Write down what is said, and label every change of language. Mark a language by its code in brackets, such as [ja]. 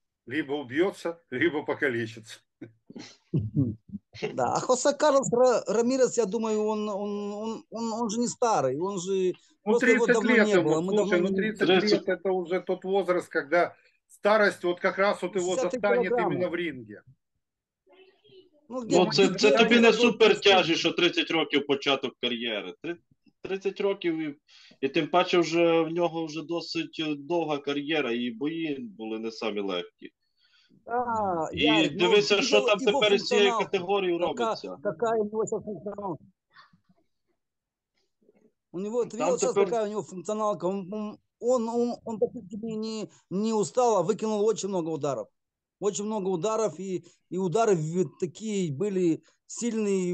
[ru] Либо убьется, либо покалечится. Да, а Хосе Карлос Рамирес, я думаю, он же не старый, он же... Ну, 30 давно лет, не было. Вот, слушай, давно... ну, 30 лет, это уже тот возраст, когда старость вот как раз вот его застанет килограмма. Именно в ринге. [uk] Ну, це тобі не супер тяжі, що 30 років початок кар'єри. 30 років, і тим паче вже в нього вже досить довга кар'єра, і бої були не самі легкі. [ru] Да, и я, дивися, ну, что там теперь из этой категории робиться. Какая у него сейчас функционалка? У него, ты видел сейчас, какая у него функционалка? Он так не устал, а выкинул очень много ударов. Очень много ударов, и удары такие были сильные.